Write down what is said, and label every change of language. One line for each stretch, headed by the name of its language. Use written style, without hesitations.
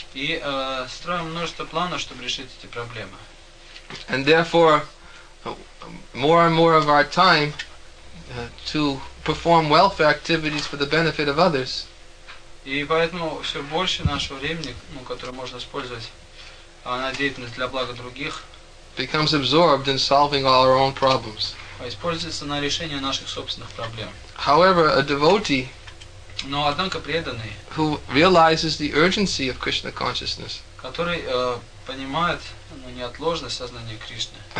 Russian: И строим множество планов, чтобы решить эти проблемы.
English: And therefore, more and more of our time to perform welfare activities for the benefit of others.
Russian: И поэтому все больше нашего времени, ну, которое можно использовать на деятельность для блага других,
English: becomes absorbed in solving all our own problems.
Russian: Используется на решение наших собственных проблем.
English: However, a devotee,
Russian: но однако преданный,
English: who realizes the urgency of Krishna consciousness,
Russian: который понимает, ну, неотложность сознания Кришны,